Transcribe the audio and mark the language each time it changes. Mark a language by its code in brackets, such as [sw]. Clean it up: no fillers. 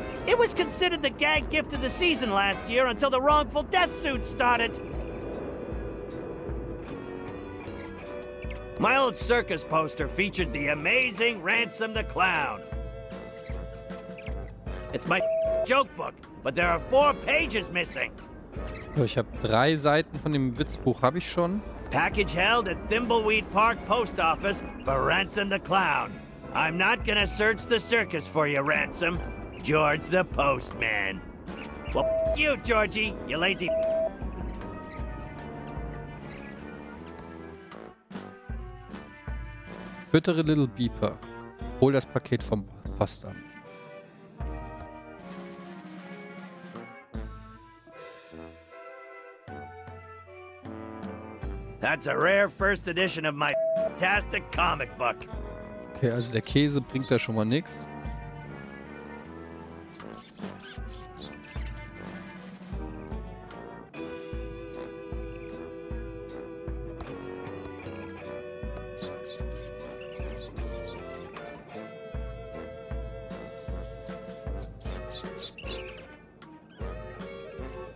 [en] It was considered the gag gift of the season last year until the wrongful death suit started. My old circus poster featured the amazing Ransom the Clown. It's my joke book, but there are four pages missing. [de] So, ich habe drei Seiten von dem Witzbuch habe ich schon. [en] Package held at Thimbleweed Park Post Office for Ransom the Clown. I'm not gonna search the circus for you, Ransom. George the Postman. Well, you, Georgie, you lazy. [de] Füttere Little Beeper. Hol das Paket vom Postamt. [en] That's a rare first edition of my fantastic comic book. [de] Okay, also der Käse bringt da schon mal nichts. [en] Thank you.